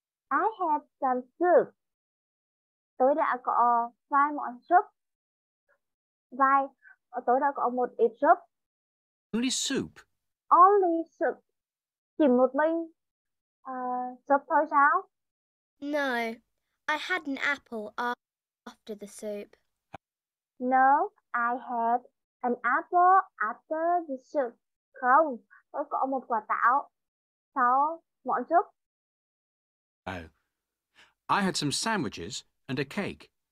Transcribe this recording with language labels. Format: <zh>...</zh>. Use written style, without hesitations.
<en>I had some soup.</en> <vi>Tôi đã có vài món súp. Tôi đã có một ít súp.</vi> <en>Only soup. Only soup.</en> <vi>Chỉ một mình súp thôi sao?</vi> <en>No, I had an apple after the soup. No, I had an apple after the soup.</en> <vi>Không, tôi có một quả táo, 6 món súp.</vi> <en>Oh, I had some sandwiches and a cake.</en>